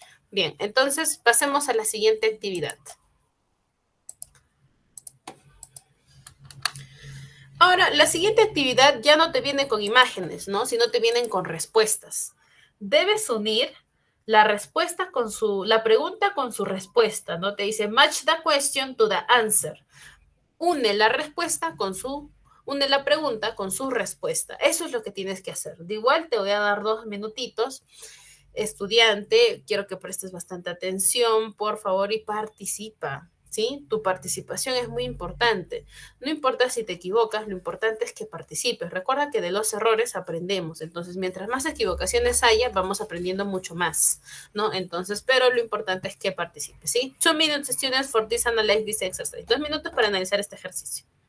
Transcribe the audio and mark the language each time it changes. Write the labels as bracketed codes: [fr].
[es] Bien, entonces pasemos a la siguiente actividad. Ahora, la siguiente actividad ya no te viene con imágenes, ¿no? Sino te vienen con respuestas. Debes unir la respuesta con su, la pregunta con su respuesta, ¿no? Te dice [en] match the question to the answer. [es] Une la respuesta con su, une la pregunta con su respuesta. Eso es lo que tienes que hacer. De igual, te voy a dar 2 minutitos. Estudiante, quiero que prestes bastante atención, por favor, y participa, ¿sí? Tu participación es muy importante. No importa si te equivocas, lo importante es que participes. Recuerda que de los errores aprendemos. Entonces, mientras más equivocaciones haya, vamos aprendiendo mucho más, ¿no? Entonces, pero lo importante es que participes, ¿sí? [en] 2 minutes, students, for this analyze this exercise. [es] 2 minutos para analizar este ejercicio.